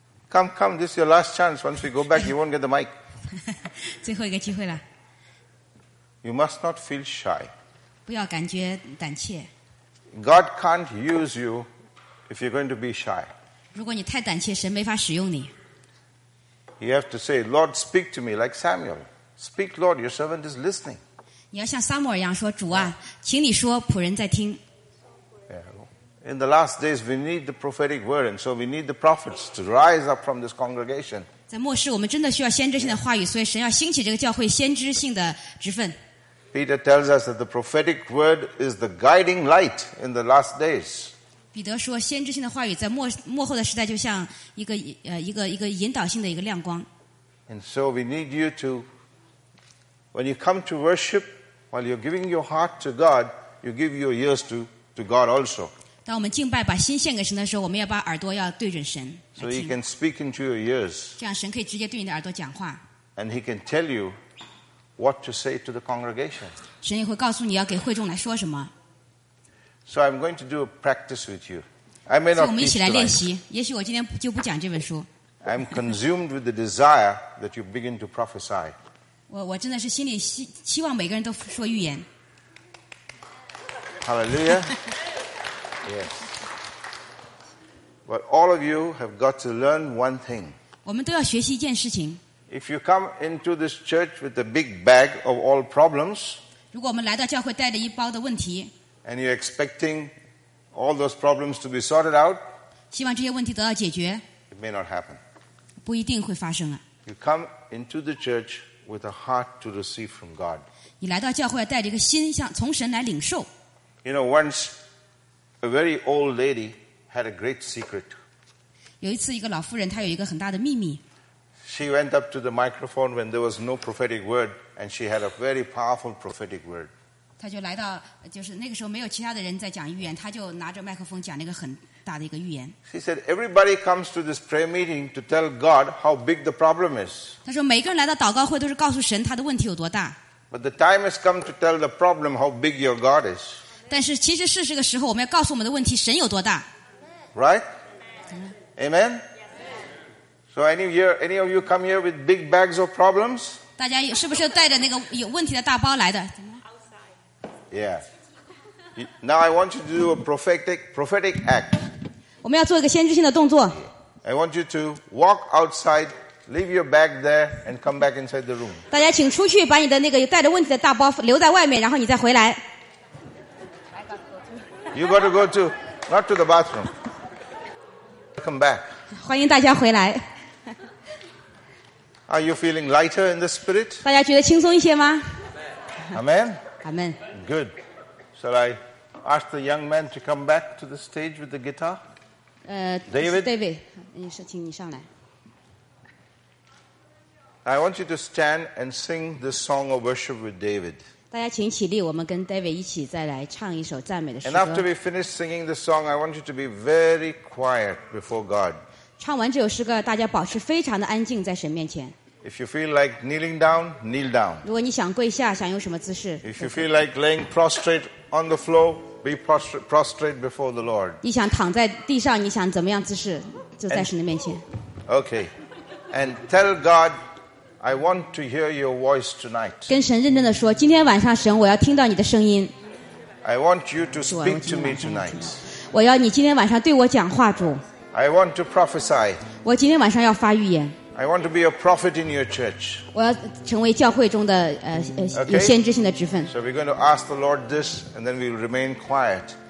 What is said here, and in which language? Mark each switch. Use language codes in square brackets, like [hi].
[en] Come, come, this is your last chance. Once we go back, you won't get the mic. [zh] 最后一个机会了。 [en] You must not feel shy. [zh] 不要感觉胆怯。 [en] God can't use you if you're going to be shy. [zh] 如果你太胆怯，神没法使用你。 [en] You have to say, Lord, speak to me like Samuel. Speak, Lord, your servant is listening. [zh] 你要像撒母耳一样说，主啊，请你说，仆人在听。 [en] In the last days, we need the prophetic word, and so we need the prophets to rise up from this congregation. [zh] 在末世，我们真的需要先知性的话语，所以神要兴起这个教会先知性的职分。 [en] Peter tells us that the prophetic word is the guiding light in the last days. [zh] 彼得说，先知性的话语在末后的时代就像一个引导性的一个亮光。 [en] And so we need you to, when you come to worship, while you're giving your heart to God, you give your ears to God also. [zh] 当我们敬拜把心献给神的时候我们要把耳朵要对准神 [en] So he can speak into your ears. [zh] 这样神可以直接对你的耳朵讲话 [en] And he can tell you what to say to the congregation. [zh] 神也会告诉你要给会众来说什么 [en] So I'm going to do a practice with you. I may not [zh] 我们一起来练习也许我今天就不讲这本书 [en] I'm consumed with the desire that you begin to prophesy. [zh] 我真的是心里希望每个人都说预言 [en] Hallelujah. Yes. But all of you have got to learn one thing. [zh] 我们都要学习一件事情。 [en] If you come into this church with a big bag of all problems, [zh] 如果我们来到教会带着一包的问题， [en] and you're expecting all those problems to be sorted out, [zh] 希望这些问题得到解决， [en] it may not happen. [zh] 不一定会发生啊。 [en] You come into the church with a heart to receive from God. [zh] 你来到教会带着一个心向从神来领受。 [en] You know, once,A very old lady had a great secret. [zh] 有一次，一个老妇人，她有一个很大的秘密。 [en] She went up to the microphone when there was no prophetic word, and she had a very powerful prophetic word. [zh] 她就来到，就是那个时候没有其他的人在讲预言，她就拿着麦克风讲那个很大的一个预言。 [en] She said, "Everybody comes to this prayer meeting to tell God how big the problem is." [zh] 她说每个人来到祷告会都是告诉神他的问题有多大。 [en] But the time has come to tell the problem how big your God is. [zh] 但是其实是这个时候，我们要告诉我们的问题神有多大。 [en] Right? Amen. So any of you come here with big bags of problems? [zh] 大家是不是带着那个有问题的大包来的？ [en] Yeah. Now I want you to do a prophetic act. [zh] 我们要做一个先知性的动作。 [en] I want you to walk outside, leave your bag there, and come back inside the room. [zh] 大家请出去，把你的那个带着问题的大包留在外面，然后你再回来。 [en] You got to go to, not to the bathroom. Come back. [zh] 欢迎大家回来。 [en] Are you feeling lighter in the spirit? [zh] 大家觉得轻松一些吗？ [en] Amen. Amen. Good. Shall I ask the young man to come back to the stage with the guitar? [zh] David, 你是请你上来。 [en] I want you to stand and sing this song of worship with David. [zh] 大家请起立，我们跟 David 一起再来唱一首赞美的诗歌。 [en] And after we finish singing the song, I want you to be very quiet before God. [zh] 唱完这首诗歌，大家保持非常的安静在神面前。 [en] If you feel like kneeling down, kneel down. [zh] 如果你想跪下，想用什么姿势？ [en] If you feel like laying prostrate on the floor, be prostrate before the Lord. [zh] 你想躺在地上，你想怎么样姿势，就在神的面前。 [en] Okay, and tell God, I want to hear your voice tonight. [zh] 跟神认真的说，今天晚上神，我要听到你的声音。 [en] I want you to speak to me tonight. [zh] 我要你今天晚上对我讲话，主。 [en] I want to prophesy. [zh] 我今天晚上要发预言。 [en] I want to be a prophet in your church. [zh] 我要成为教会中的有先知性的职分。 [en] So we're going to ask the Lord this, and then we remain quiet.